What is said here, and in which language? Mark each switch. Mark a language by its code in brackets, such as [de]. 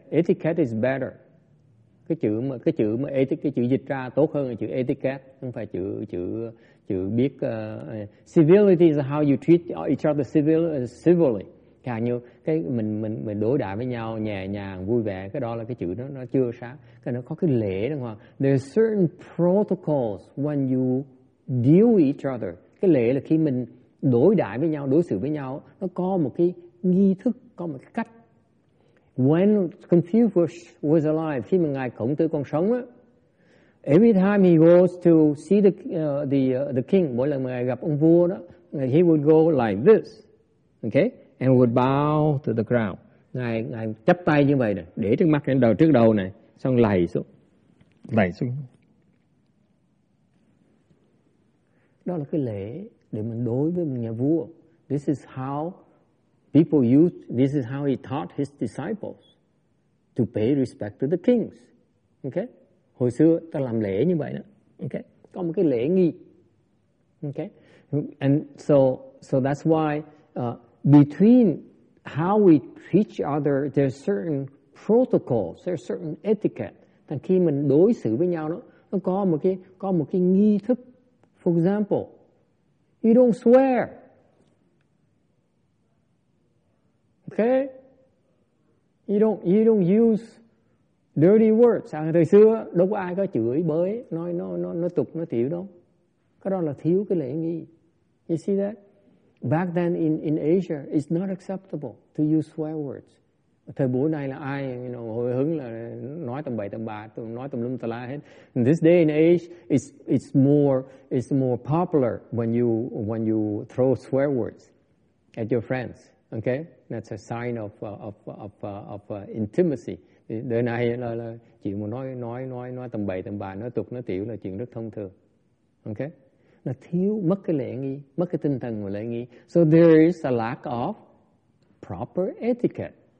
[en] Etiquette is better. [vi] Cái chữ mà etiquette, cái chữ dịch ra tốt hơn là chữ etiquette. Không phải chữ biết [en] civility is how you treat each other civilly. [vi] Cả như cái mình đối đãi với nhau nhẹ nhàng vui vẻ, cái đó là cái chữ nó chưa sáng, cái nó có cái lễ đúng không? [en] There are certain protocols when you deal with each other. [vi] Cái lễ là khi mình đối đãi với nhau, đối xử với nhau, nó có một cái nghi thức, có một cái cách. [en] When Confucius was alive, [vi] khi mà ngài Khổng Tử còn sống á, [en] every time he goes to see the king, [vi] mỗi lần mà ngài gặp ông vua đó, [en] he would go like this, okay? And would bow to the ground. [vi] Ngài chắp tay như vậy này, để trước mắt lên đầu trước đầu này, xong lạy xuống. Đó là cái lễ để mình đối với nhà vua. [en] This is how people used. This is how he taught his disciples to pay respect to the kings. [vi] Okay, hồi xưa ta làm lễ như vậy đó. Okay, có một cái lễ nghi. Okay, [en] and so that's why. Between how we treat each other, there are certain protocols, there are certain etiquette. [vi] Thành khi mình đối xử với nhau đó, nó có một cái nghi thức. [en] For example, you don't swear. Okay? You don't use dirty words. [vi] À, thời xưa đâu có ai có chửi bới, nói tục, nói tiểu đâu. Cái đó là thiếu cái lễ nghi. [en] You see that? Back then in Asia, it's not acceptable to use swear words. [vi] Thời buổi này là ai, you know, hồi hứng là nói tầm bậy tầm bạ, nói tầm lum tà la hết. [en] In this day in age, it's more popular when you throw swear words at your friends. Okay, that's a sign of intimacy. [vi] Đời này là chuyện mà nói tầm bậy tầm bạ, nói tục nói tiểu là chuyện rất thông thường. Okay. Là thiếu, mất cái lễ nghi, mất cái tinh thần của lễ nghi. [en] So there is a lack of proper etiquette.